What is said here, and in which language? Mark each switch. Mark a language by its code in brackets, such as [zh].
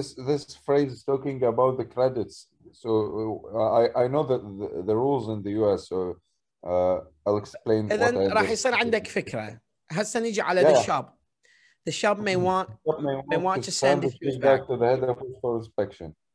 [en] This phrase is talking about the credits. So I know that the rules in the US. So I'll explain. And then [ar] راح يصير عندك فكرة. هسا نيجي على [en] the shop. The shop may want to send the shoes back to the head office for inspection.